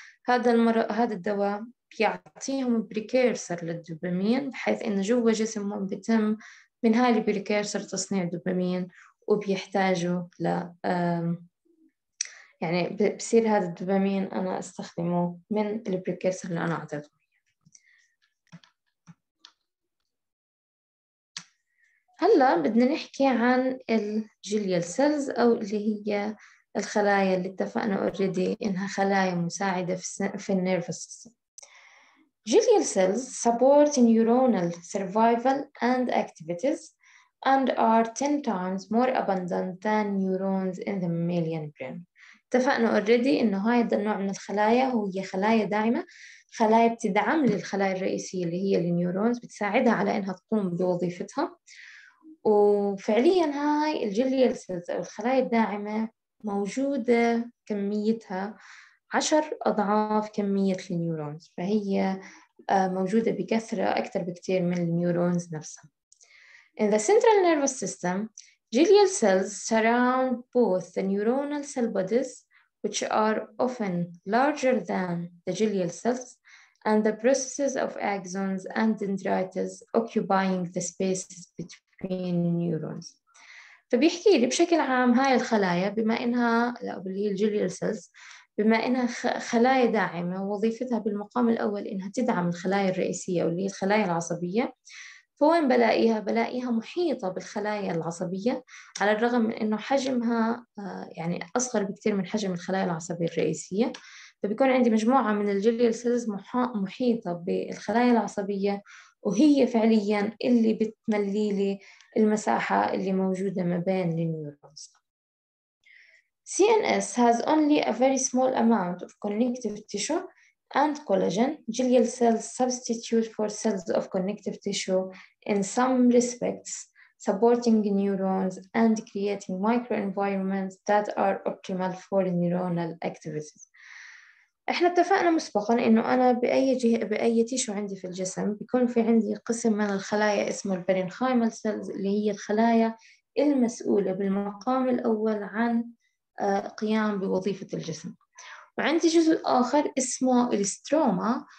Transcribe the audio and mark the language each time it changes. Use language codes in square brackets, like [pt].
[ar] هذا الدواء يعطيهم بريكيرسر للدوبامين، بحيث إنه جوا جسمهم بيتم من هاي البريكيرسر تصنيع دوبامين، وبيحتاجوا ل يعني بصير هذا الدوبامين أنا استخدمه من البريكيرسر اللي أنا أعطيته. هلا بدنا نحكي عن الجليال سيلز، أو اللي هي الخلايا اللي اتفقنا أوريدي إنها خلايا مساعدة في النيرفس سيستم. [en] Glial cells support neuronal survival and activities and are 10 times more abundant than neurons in the mammalian brain. [ar] اتفقنا already انه هذا النوع من الخلايا هي خلايا داعمة، خلايا بتدعم للخلايا الرئيسية اللي هي النيورونز، بتساعدها على انها تقوم بوظيفتها. وفعليا هاي الجليال سيلز او الخلايا الداعمة موجودة كميتها 10 أضعاف كمية النيورونز، فهي موجودة بكثرة أكثر بكثير من النيورونز نفسها. [en] In the central nervous system, glial cells surround both the neuronal cell bodies, which are often larger than the glial cells, and the processes of axons and dendrites occupying the spaces between neurons. [ar] فبيحكي لي بشكل عام هاي الخلايا بما إنها اللي هي الجليال سيلز، بما إنها خلايا داعمة ووظيفتها بالمقام الأول إنها تدعم الخلايا الرئيسية أو اللي هي الخلايا العصبية، فوين بلاقيها؟ بلاقيها محيطة بالخلايا العصبية، على الرغم من إنه حجمها يعني أصغر بكتير من حجم الخلايا العصبية الرئيسية. فبيكون عندي مجموعة من الجليال سيلز محيطة بالخلايا العصبية، وهي فعلياً اللي بتملي لي المساحة اللي موجودة ما بين النيورونز. [en] CNS has only a very small amount of connective tissue and collagen. Glial cells substitute for cells of connective tissue in some respects, supporting neurons and creating microenvironments that are optimal for neuronal activity. [ar] احنا اتفقنا مسبقا انه انا باي تيشو عندي في الجسم بيكون في عندي قسم من الخلايا اسمه البارينخايمال سيلز اللي هي الخلايا المسؤوله بالمقام الاول عن قيام بوظيفه الجسم، وعندي جزء اخر اسمه الستروما.